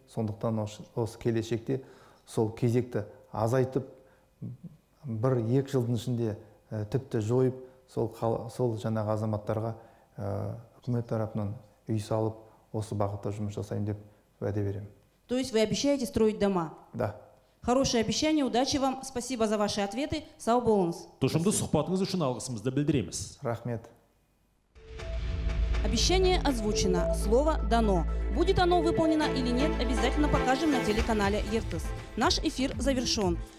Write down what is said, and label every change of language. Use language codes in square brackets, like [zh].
[kk] Сондықтан осы келешекте сол кезекті азайтып, бір екі жылдың ішінде тіпті жойып, сол жаңағы азаматтарға үкімет тарапынан үй салып, осы бағытта жұмыс жасайын деп уәде беремін. [ru] То есть вы обещаете строить дома? Да. Хорошее обещание, удачи вам, спасибо за ваши ответы, [kk] сау болыңыз. Тұшымды сұхбатыңыз үшін алғысымызды білдіреміз. Рахмет. [ru] Обещание озвучено, слово дано. Будет оно выполнено или нет, обязательно покажем на телеканале «Ертыс». Наш эфир завершен.